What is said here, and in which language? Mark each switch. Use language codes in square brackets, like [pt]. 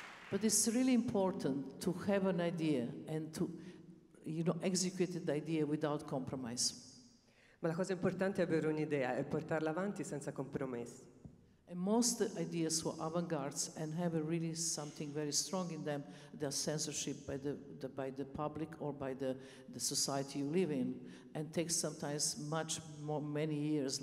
[en] But it's really important to have an idea and to, execute the idea without compromise. [it] Ma la cosa importante è avere un'idea e portarla avanti senza compromessi. [en] And most ideas were avant-garde and have a really something very strong in them. There's censorship by the public or by the society you live in, and takes sometimes much more many years.